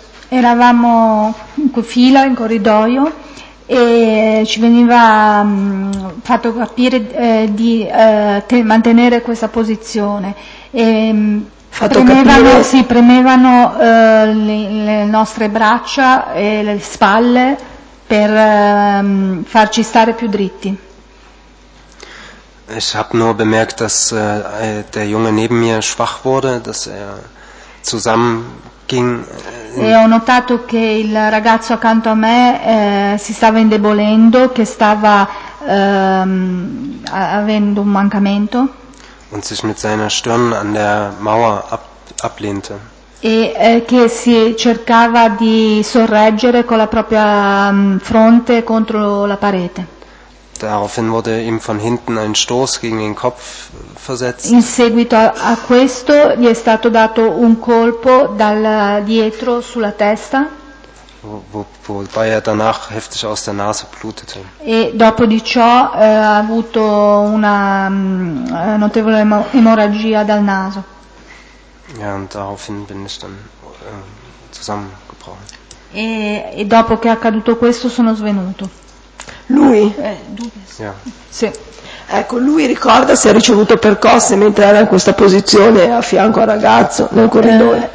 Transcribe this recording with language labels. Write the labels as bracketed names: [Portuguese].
[Italian] Eravamo in fila in corridoio. E ci veniva fatto capire mantenere questa posizione e premevano le nostre braccia e le spalle per farci stare più dritti. [German] Ich habe nur bemerkt, dass der Junge neben mir schwach wurde, dass er zusammenging. [Italian] E ho notato che il ragazzo accanto a me si stava indebolendo, che stava avendo un mancamento. [German] Und sich mit seiner Stirn an der Mauer ablehnte. [Italian] E che si cercava di sorreggere con la propria fronte contro la parete. [German] Daraufhin wurde ihm von hinten ein Stoß gegen den Kopf versetzt. [Italian] In seguito a questo gli è stato dato un colpo dal dietro sulla testa. [German] Wobei er danach heftig aus der Nase blutete. [Italian] E dopo di ciò ha avuto una notevole emorragia dal naso. [German] Ja, und daraufhin bin ich dann zusammengebrochen. [Italian] E dopo che è accaduto questo sono svenuto. Lui? Yeah. Sì. Ecco, lui ricorda se ha ricevuto percosse mentre era in questa posizione a fianco al ragazzo nel corridoio.